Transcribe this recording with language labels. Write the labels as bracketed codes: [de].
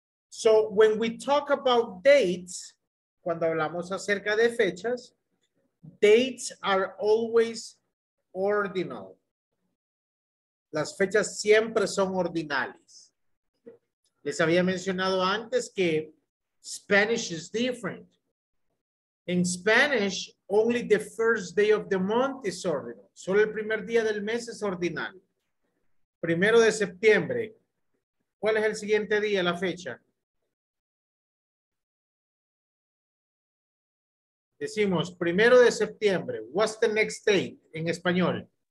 [en] So when we talk about dates, [es] cuando hablamos acerca de fechas, [en] dates are always ordinal. [es] Las fechas siempre son ordinales. Les había mencionado antes que [en] Spanish is different. In Spanish, only the first day of the month is ordinal. [es] Solo el primer día del mes es ordinal. Primero de septiembre. ¿Cuál es el siguiente día, la fecha? Decimos, primero de septiembre. [en] What's the next date [es] en español?